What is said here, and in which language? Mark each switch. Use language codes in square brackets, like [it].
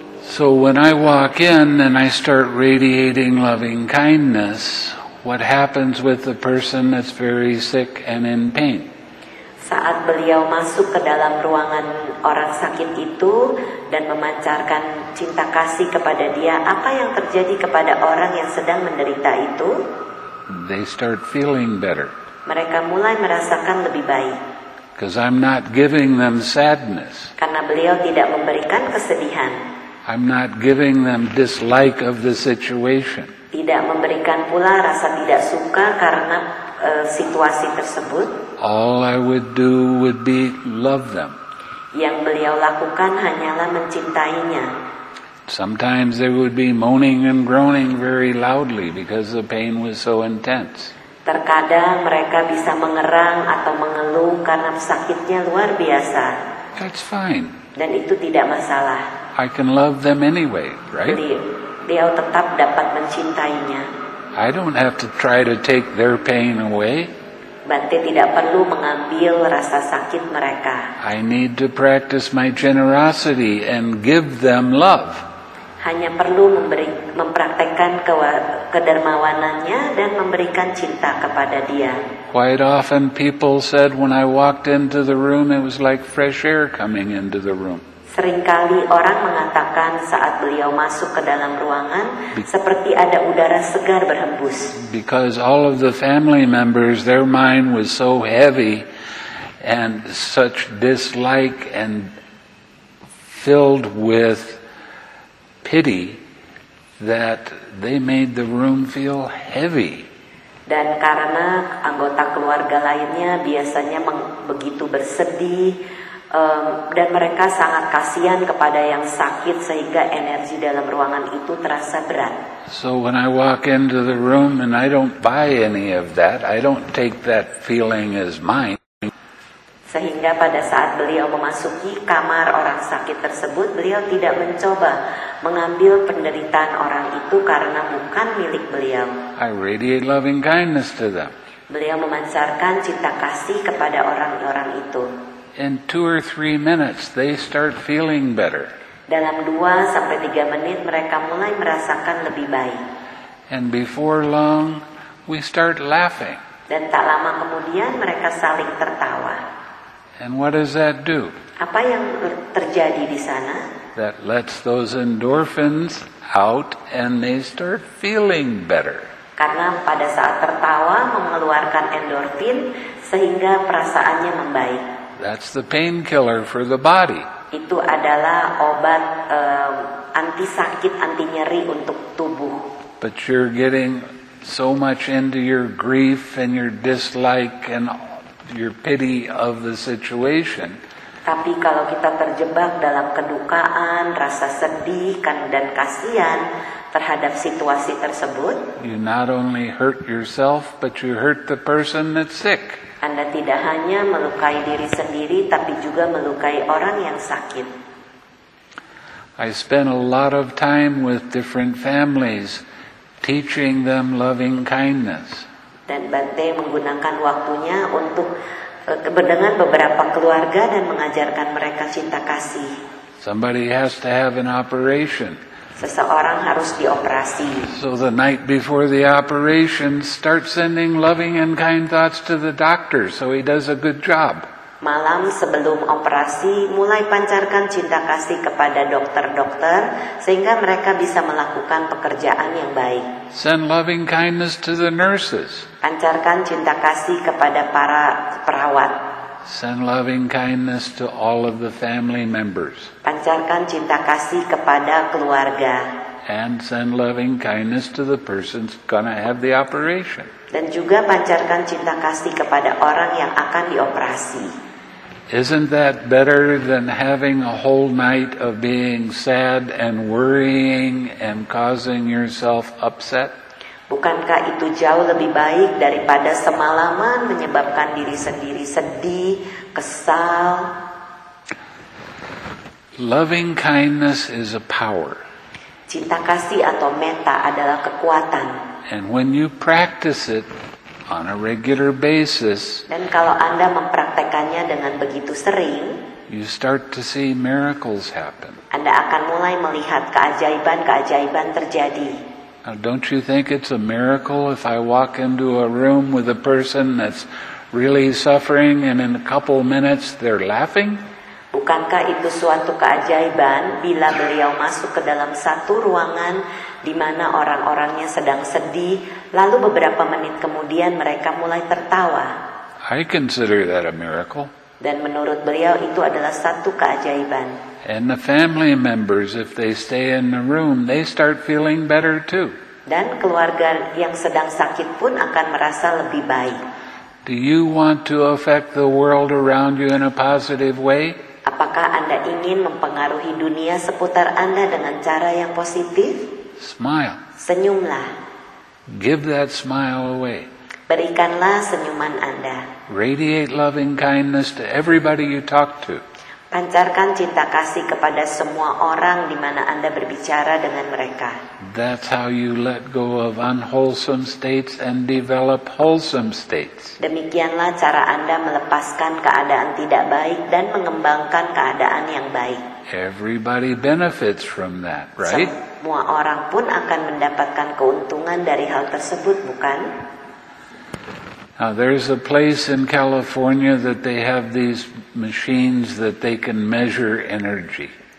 [en] So when I walk in and I start radiating loving kindness, what happens with the person that's very sick and in pain? [id] Saat beliau masuk ke dalam ruangan orang sakit itu dan memancarkan cinta kasih kepada dia, apa yang terjadi kepada orang yang sedang menderita itu? [en] They start feeling better. [id] Mereka mulai merasakan lebih baik. [en] Because I'm not giving them sadness. [id] Karena beliau tidak memberikan kesedihan. [en] I'm not giving them dislike of the situation. [id] Tidak memberikan pula rasa tidak suka karena situasi tersebut. [en] All I would do would be love them. [id] Yang beliau lakukan hanyalah mencintainya. [en] Sometimes they would be moaning and groaning very loudly because the pain was so intense. [id] Terkadang mereka bisa mengerang atau mengeluh karena sakitnya luar biasa. [en] That's fine. [id] Dan itu tidak masalah. [en] I can love them anyway, right? [id] Dia tetap dapat mencintainya. [en] I don't have to try to take their pain away. [id] Berarti tidak perlu mengambil rasa sakit mereka. [en] I need to practice my generosity and give them love. [id] Hanya perlu mempraktekkan kedermawanannya dan memberikan cinta kepada dia. [en] Quite often people said when I walked into the room it was like fresh air coming into the room. [id] Seringkali orang mengatakan saat beliau masuk ke dalam ruangan seperti ada udara segar berhembus. [en] Because all of the family members, their mind was so heavy and such dislike and filled with pity that they made the room feel heavy. [id] Dan karena anggota keluarga lainnya biasanya begitu bersedih, dan mereka sangat kasihan kepada yang sakit sehingga energi dalam ruangan itu terasa berat. [en] So when I walk into the room and I don't buy any of that, I don't take that feeling as mine. [id] Sehingga pada saat beliau memasuki kamar orang sakit tersebut, beliau tidak mencoba mengambil penderitaan orang itu karena bukan milik beliau. [en] I radiate loving kindness to them. [id] Beliau memancarkan cinta kasih kepada orang-orang itu. [en] In 2 or 3 minutes, they start feeling better. [id] Dalam 2-3 menit, mereka mulai merasakan lebih baik. [en] And before long, we start laughing. [id] Dan tak lama kemudian, mereka saling tertawa. [en] And what does that do? [id] Apa yang terjadi di sana? [en] That lets those endorphins out and they start feeling better. [id] Karena pada saat tertawa, mengeluarkan endorfin, sehingga perasaannya membaik. [en] That's the painkiller for the body. [id] Itu adalah obat anti sakit, anti nyeri untuk tubuh. [en] But you're getting so much into your grief and your dislike and your pity of the situation. [id] Tapi kalau kita terjebak dalam kedukaan, rasa sedih dan kasihan terhadap situasi tersebut, [en] you not only hurt yourself, but you hurt the person that's sick. [id] Anda tidak hanya melukai diri sendiri, tapi juga melukai orang yang sakit. [en] I spend a lot of time with different families, teaching them loving kindness. [id] Dan Bante menggunakan waktunya untuk dengan beberapa keluarga dan mengajarkan mereka cinta kasih. [en] Somebody has to have an operation. [id] Seseorang harus dioperasi. [en] So the night before the operation, start sending loving and kind thoughts to the doctor so he does a good job. [id] Malam sebelum operasi, mulai pancarkan cinta kasih kepada dokter-dokter sehingga mereka bisa melakukan pekerjaan yang baik. [en] Send loving kindness to the nurses. [id] Pancarkan cinta kasih kepada para perawat. [en] Send loving kindness to all of the family members. [id] Pancarkan cinta kasih kepada keluarga. [en] And send loving kindness to the person's gonna have the operation. [id] Dan juga pancarkan cinta kasih kepada orang yang akan dioperasi. [en] Isn't that better than having a whole night of being sad and worrying and causing yourself upset? [id] Bukankah itu jauh lebih baik daripada semalaman menyebabkan diri sendiri sedih, kesal? [en] Loving kindness is a power. [id] Cinta kasih atau metta adalah kekuatan. [en] And when you practice it on a regular basis, [id] dan kalau Anda mempraktekannya dengan begitu sering, [en] you start to see miracles happen. [id] Anda akan mulai melihat keajaiban-keajaiban terjadi. [en] Now, don't you think it's a miracle if I walk into a room with a person that's really suffering and in a couple minutes they're laughing? [id] Bukankah itu suatu keajaiban bila beliau masuk ke dalam satu ruangan di mana orang-orangnya sedang sedih, lalu beberapa menit kemudian mereka mulai tertawa? [en] I consider that a miracle. [id] Dan menurut beliau itu adalah satu keajaiban. [en] And the family members, if they stay in the room, they start feeling better too. [id] Dan keluarga yang sedang sakit pun akan merasa lebih baik. [en] Do you want to affect the world around you in a positive way? [id] Apakah Anda ingin mempengaruhi dunia seputar Anda dengan cara yang positif? [en] Smile. [id] Senyumlah. [en] Give that smile away. [id] Berikanlah senyuman Anda. [en] Radiate loving kindness to everybody you talk to. [id] Pancarkan cinta kasih kepada semua orang di mana Anda berbicara dengan mereka. [en] That's how you let go of unwholesome states and develop wholesome states. [id] Demikianlah cara Anda melepaskan keadaan tidak baik dan mengembangkan keadaan yang baik. [en] Everybody benefits from that, right? [id] Semua orang pun akan mendapatkan keuntungan dari hal tersebut, bukan? [en] Now there's a place in California that they have these machines that they can measure energy.